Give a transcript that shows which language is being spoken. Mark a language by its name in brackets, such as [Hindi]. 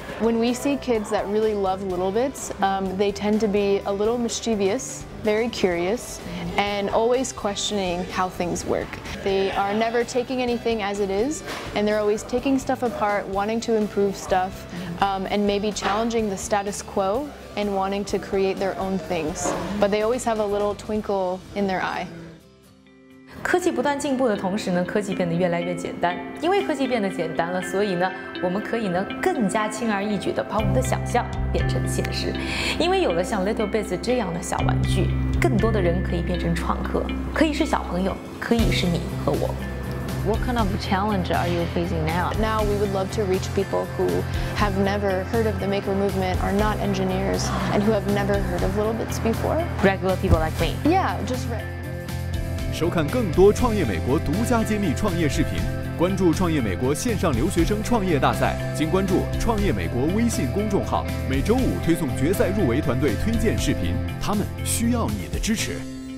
[English] When we see kids that really love little bits, they tend to be a little mischievous, very curious, and always questioning how things work. They are never taking anything as it is, and they're always taking stuff apart, wanting to improve stuff, and maybe challenging the status quo and wanting to create their own things. But they always have a little twinkle in their eye. [Chinese] 科技不断进步的同时呢，科技变得越来越简单。因为科技变得简单了，所以呢，我们可以呢更加轻而易举地把我们的想象变成现实。因为有了像 LittleBits 这样的小玩具，更多的人可以变成创客，可以是小朋友，可以是你和我。 [English] What kind of challenge are you facing now? Now we would love to reach people who have never heard of the maker movement, are not engineers, and who have never heard of LittleBits before. Regular people like me. Yeah, just right. [Chinese] 收看更多创业美国独家揭秘创业视频，关注创业美国线上留学生创业大赛，请关注创业美国微信公众号，每周五推送决赛入围团队推荐视频，他们需要你的支持。